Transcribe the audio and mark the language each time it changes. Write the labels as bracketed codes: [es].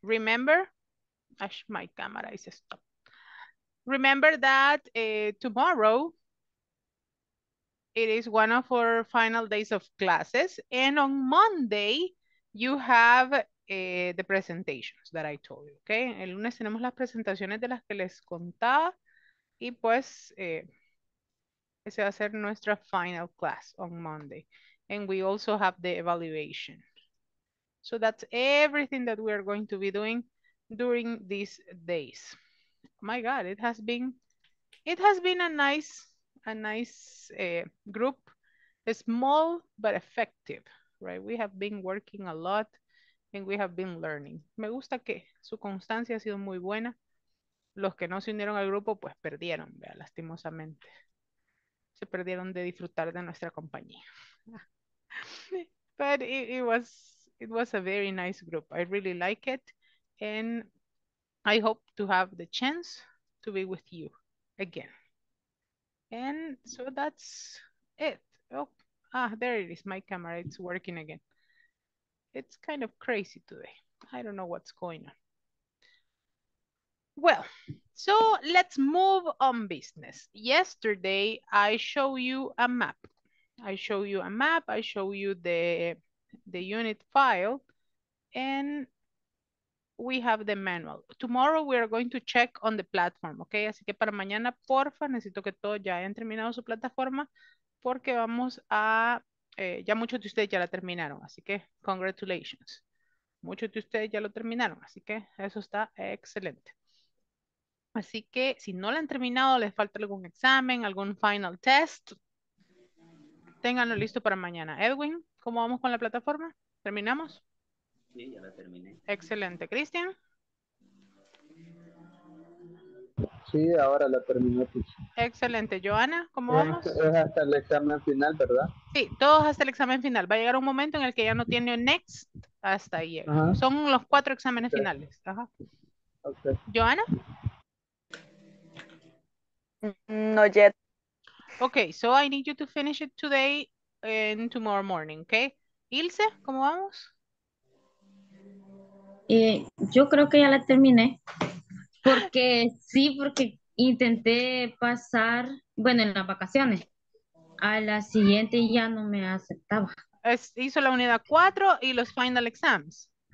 [en] Remember, my camera is stopped. Remember that tomorrow, it is one of our final days of classes. And on Monday, you have the presentations that I told you, okay? [es] El lunes tenemos las presentaciones de las que les contaba. Y pues, ese va a ser nuestra [en] final class on Monday. And we also have the evaluation. So that's everything that we are going to be doing during these days. My God, it has been a nice group, small but effective, right? We have been working a lot and we have been learning. [es] Me gusta que su constancia ha sido muy buena. Los que no se unieron al grupo, pues perdieron, vea, lastimosamente. Se perdieron de disfrutar de nuestra compañía. [en] But it was a very nice group. I really like it. And I hope to have the chance to be with you again. And so that's it. Oh, there it is. My camera, it's working again. It's kind of crazy today. I don't know what's going on. Well, so let's move on business. Yesterday, I show you a map. I show you a map. I show you the unit file. And we have the manual. Tomorrow we are going to check on the platform, okay? [es] Así que para mañana, porfa, necesito que todos ya hayan terminado su plataforma porque vamos a... ya muchos de ustedes ya la terminaron, así que congratulations. Muchos de ustedes ya lo terminaron, así que eso está excelente. Así que si no la han terminado, les falta algún examen, algún final test, ténganlo listo para mañana. Edwin, ¿cómo vamos con la plataforma? ¿Terminamos? Sí, ya la terminé. Excelente. ¿Cristian? Sí, ahora la terminé. Pues. Excelente. ¿Joana, cómo vamos? Es hasta el examen final, ¿verdad? Sí, todos hasta el examen final. Va a llegar un momento en el que ya no tiene next hasta ahí. Ajá. Son los cuatro exámenes okay. finales. Ajá. [en] Okay. [es] ¿Joana? [en] No yet. Okay, so I need you to finish it today and tomorrow morning, okay? [es] Ilse, ¿cómo vamos? Yo creo que ya la terminé, porque sí, porque intenté pasar, bueno, en las vacaciones, a la siguiente ya no me aceptaba. Hizo la unidad 4 y los final exams.